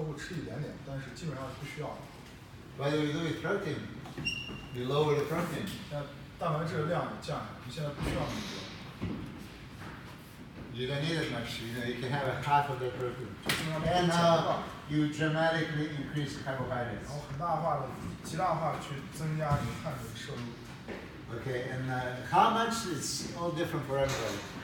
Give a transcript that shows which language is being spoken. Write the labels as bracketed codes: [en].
[zh] 冲量过程中是不需要脂肪的，就是说他会允许他的客户吃一点点，但是基本上是不需要的。But [en] you do with protein, you lower the protein. [zh] 那蛋白质的量降下，你现在不需要那么多。 [en] You don't need as much, you know, you can have a half of the protein. And now you dramatically increase carbohydrates. Okay, and how much? It's all different for everybody.